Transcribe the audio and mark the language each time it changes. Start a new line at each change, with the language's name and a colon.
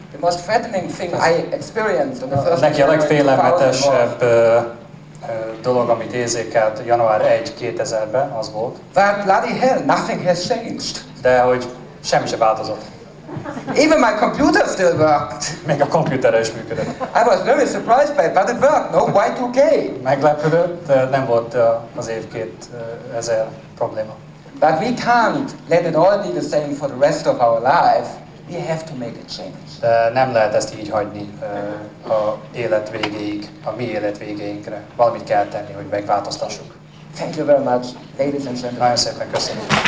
English: The most threatening thing I experienced on the 1st of January 2000 was...
Hungarian: Neki a legfélelmetesebb dolog, amit érzékelt január 1-2000-ben, az volt.
English: But bloody hell, nothing has changed.
Hungarian: De hogy semmi sem változott.
English: Even my computer still worked.
Hungarian: Még a komputerre is működött.
English: I was very surprised by it, but it worked. No Y2K.
Hungarian: Meglepődött, nem volt az év 2000 probléma.
English: But we can't let it all be the same for the rest of our life. We have to make a change.
Hungarian: De nem lehet ezt így hagyni a élet végéig, a mi élet végéinkre. Valamit kell tenni, hogy megváltoztassuk.
English: Thank you very much, ladies and gentlemen.
Hungarian: Nagyon szépen köszönöm.